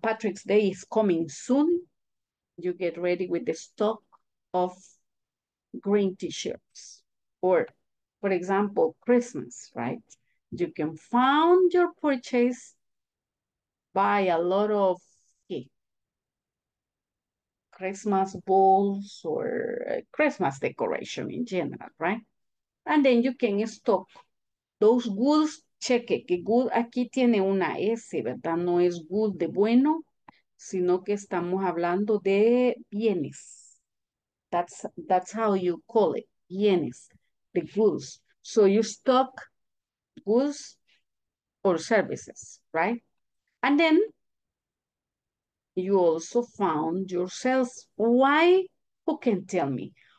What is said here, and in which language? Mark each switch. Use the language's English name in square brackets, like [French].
[English] Patrick's Day is coming soon, you get ready with the stock of green t-shirts, or for example, Christmas, right? You can fund your purchase by a lot of Christmas balls or Christmas decoration in general, right? And then you can stock those goods. [Spanish] Cheque, que good aquí tiene una S, ¿verdad? No es good de bueno, sino que estamos hablando de bienes. [English] That's how you call it, bienes, the goods. So you stock goods or services, right? And then you also found your sales. Why? Who can tell me?